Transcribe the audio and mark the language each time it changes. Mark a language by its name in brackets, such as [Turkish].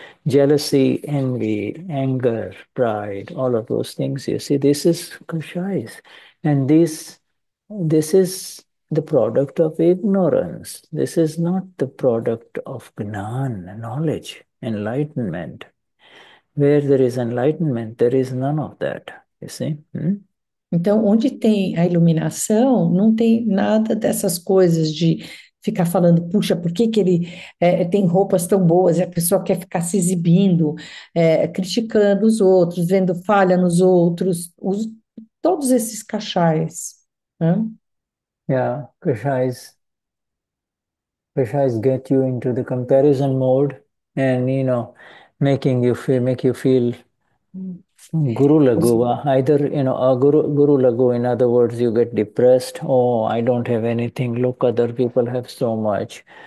[English] Jealousy, envy, anger, pride, all of those things, you see, this is kashais. And this is the product of ignorance. This is not the product of gnana, knowledge, enlightenment. Where there is enlightenment, there is none of that, you see. [Portuguese] Então, onde tem a iluminação, não tem nada dessas coisas de ficar falando, puxa, por que que ele tem roupas tão boas e a pessoa quer ficar se exibindo, criticando os outros, vendo falha nos outros, todos esses cachais, né? [English] Kashais get you into the comparison mode and, making you feel Guru lago, either a guru lago, in other words, you get depressed. Oh, I don't have anything. Look, other people have so much.